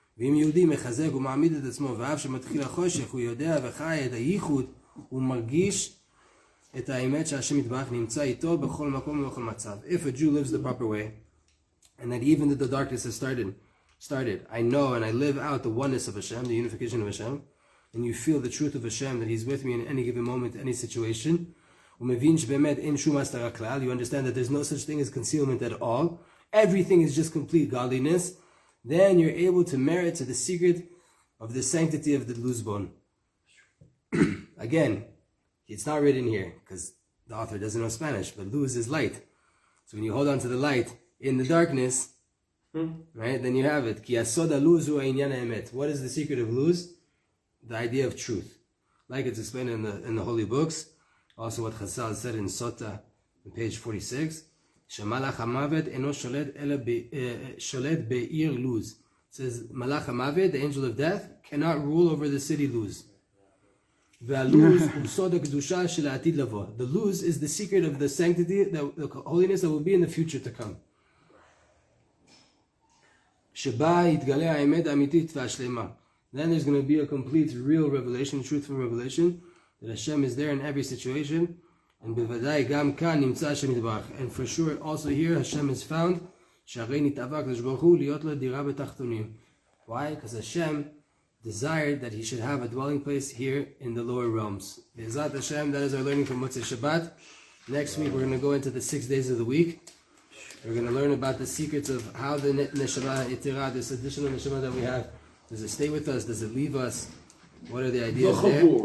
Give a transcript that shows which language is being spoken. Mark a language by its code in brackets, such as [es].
[he] ואם יהודי מחזק ומעמיד את עצמו ואף שמתחיל החושך, הוא יודע וחי את הייחוד, הוא מרגיש את האמת שהשם יתברך נמצא איתו בכל מקום ובכל מצב. [en] If a Jew lives the proper way, and that even that the darkness has started, I know and I live out the oneness of Hashem, the unification of Hashem, and you feel the truth of Hashem, that He's with me in any given moment, any situation, [he] ומבין שבאמת אין שום הסתרה כלל, [en] you understand that there's no such thing as concealment at all, everything is just complete godliness, then you're able to merit to the secret of the sanctity of the loose bone. Again, it's not written here, because the author doesn't know Spanish, but loose is light. So when you hold on to the light in the darkness, right, then you have it. [he] Ki asoda luzu ainyan emet. [en] What is the secret of luz? The idea of truth. Like it's explained in the holy books, also what Chazal said in Sota, on page 46, [he] שמלאך המוות אינו שולט אלא שולט בעיר לוז. [en] It says, [he] מלאך המוות, [en] the angel of death, cannot rule over the city לוז. [he] והלוז הוא סוד הקדושה של העתיד לבוא. [en] The לוז is the secret of the sanctity, the holiness that will be in the future to come. [he] שבה יתגלה האמת האמיתית והשלמה. [en] Then there's going to be a complete real revelation, truthful revelation, that Hashem is there in every situation. [he] And בוודאי גם כאן נמצא השם יתברך. [en] And for sure, also here, Hashem is found, [he] שהרי נתאבק הקדוש ברוך הוא להיות לו דירה בתחתונים. [en] Why? Because Hashem desired that he should have a dwelling place here in the lower realms. בעזרת Hashem, that is our learning from Motzei Shabbat. Next week, we're going to go into the 6 days of the week. We're going to learn about the secrets of how the neshama itera, this additional neshama that we have, does it stay with us? Does it leave us? What are the ideas there?